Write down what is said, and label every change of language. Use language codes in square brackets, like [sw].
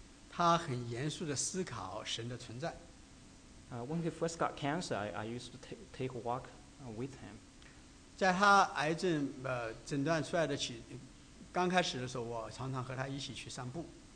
[zh] 他很严肃地思考神的存在。 [en] When he first got cancer, I used to take a walk with him. [zh] 在他癌症诊断出来的刚开始的时候，我常常和他一起去散步。